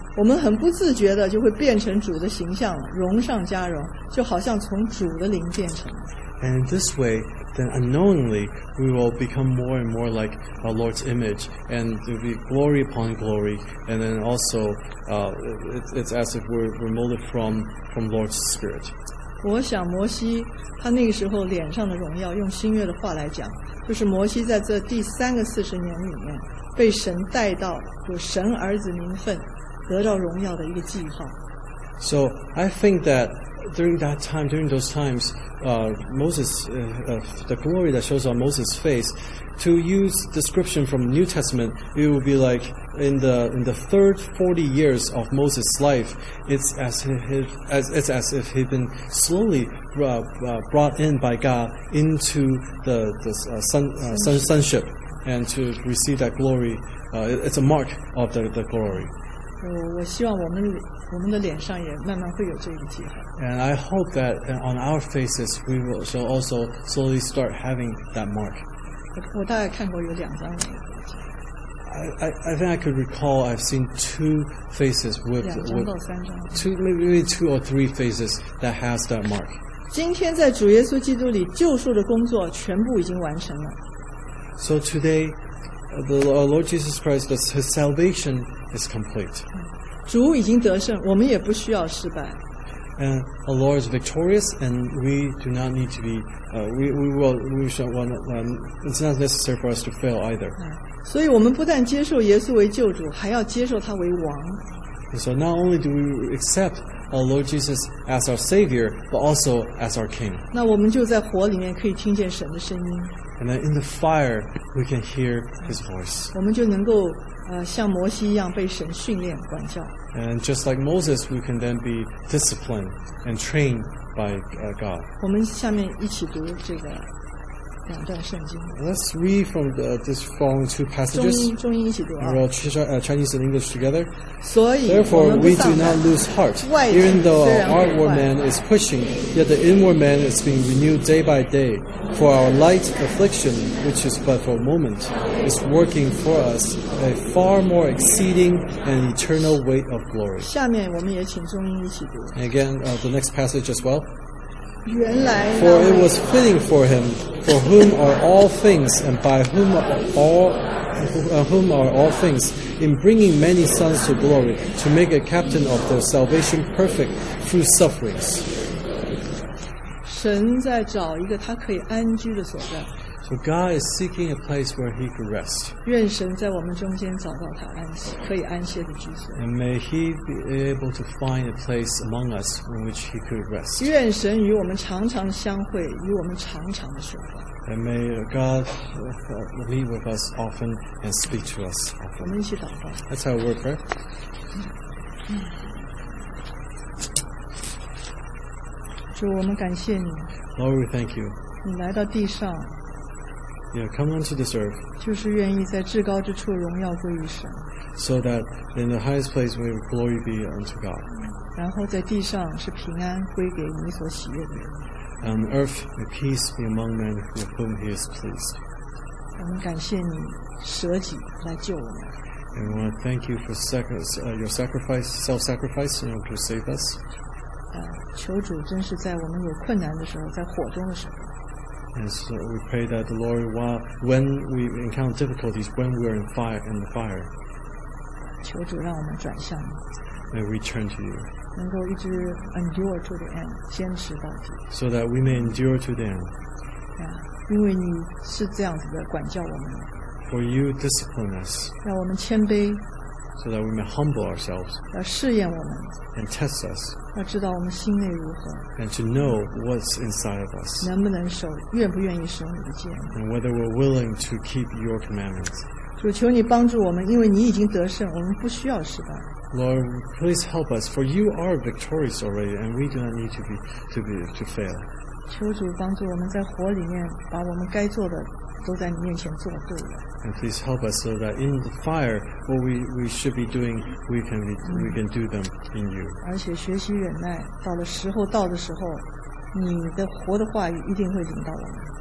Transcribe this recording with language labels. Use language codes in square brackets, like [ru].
[zh] 我们很不自觉的就会变成主的形象了，荣上加荣，就好像从主的灵变成。 [en] And this way, then unknowingly, we will become more and more like our Lord's image, and there will be glory upon glory, and then also, it's as if we're molded from Lord's Spirit. [zh] 我想摩西，他那个时候脸上的荣耀，用新约的话来讲，就是摩西在这第三个四十年里面，被神带到有神儿子名分。得到荣耀的一个记号。 [en] So I think that during those times, Moses, the glory that shows on Moses' face, to use description from New Testament, it will be like in the third 40 years of Moses' life, it's as if he'd been slowly brought in by God into the sonship and to receive that glory. It's a mark of the glory. [zh] 我希望我们的脸上也慢慢会有这个记号。 [en] And I hope that on our faces we will shall also slowly start having that mark. [zh] 我大概看过有两张。 [en] I think I could recall I've seen two faces with [zh] 两张到三张。 [en] Maybe two or three faces that has that mark. [zh] 今天在主耶稣基督里救赎的工作全部已经完成了。 [en] So today. The Lord Jesus Christ, His salvation is complete. [zh] 主已经得胜，我们也不需要失败。 [en] And the Lord is victorious, and we do not need to be. It's not necessary for us to fail either. [zh] 所以我们不但接受耶稣为救主，还要接受他为王。 [en] And so not only do we accept our Lord Jesus as our Savior, but also as our King. [zh] 那我们就在火里面可以听见神的声音。 [en] And then in the fire, we can hear His voice. [zh] 我们就能够像摩西一样被神训练管教。 [en] And just like Moses, we can then be disciplined and trained by God. [zh] 我们下面一起读这个两段圣经。 [en] Let's read from this following two passages. [zh] 中英一起读啊。 [en] And we'll Chinese and English together. [zh] 所以 [en] Therefore, we do not lose heart. Even though our outward man is pushing, yet the inward man is being renewed day by day. For our light affliction, which is but for a moment, is working for us a far more exceeding and eternal weight of glory. [zh] 下面我们也请中英一起读。 [en] And again, the next passage as well. [zh] 原来 [en] For it was fitting for him, for whom are all things, and by whom are all things, in bringing many sons to glory, to make a captain of their salvation perfect through sufferings. [zh] 神在找一个他可以安居的所在。 [en] So God is seeking a place where he could rest. [zh] 愿神在我们中间找到他安息，可以安歇的居所。 [en] And may he be able to find a place among us in which he could rest. [zh] 愿神与我们常常的相会，与我们常常的说话。 [en] And may God meet with us often and speak to us often. [zh] 我们一起祷告。 [en] That's our word, right? [zh] 主，我们感谢你。 [en] Lord, we thank you. [zh] 你来到地上。 [en] Yeah, come onto this earth. [zh] 就是愿意在至高之处荣耀归于神。 [en] So that in the highest place may glory be unto God. [zh] 然后在地上是平安归给你所喜悦的人。 [en] On earth, may peace be among men with whom he is pleased. [zh] 我们感谢你舍己来救我们。 [en] And we want to thank you for your sacrifice, self-sacrifice, in order to save us. [zh] 求主真是在我们有困难的时候，在火中的时候。 [en] And so we pray that the Lord, when we encounter difficulties, when we are in the fire, [zh] 求主让我们转向你。 [en] May we turn to you. [zh] 能够一直 [en] endure to the end, [zh] 坚持到底。 [en] So that we may endure to the end. [zh] 因为你是这样子的管教我们。 [en] For you discipline us. [zh] 让我们谦卑。 [en] So that we may humble ourselves. [zh] 要试验我们。 [en] And test us. [zh] 要知道我们心内如何。 [en] And to know what's inside of us. [zh] 能不能守，愿不愿意守你的诫命。 [en] And whether we're willing to keep your commandments. [zh] 主，求你帮助我们，因为你已经得胜，我们不需要失败。 [en] Lord, please help us, for you are victorious already, and we do not need to fail. [zh] 求主帮助我们在火里面把我们该做的都在你面前做对了。 [en] And please help us so that in the fire, what we should be doing, we can do them in you. [zh] 而且学习忍耐，到了时候到的时候，你的活的话语一定会领到我们。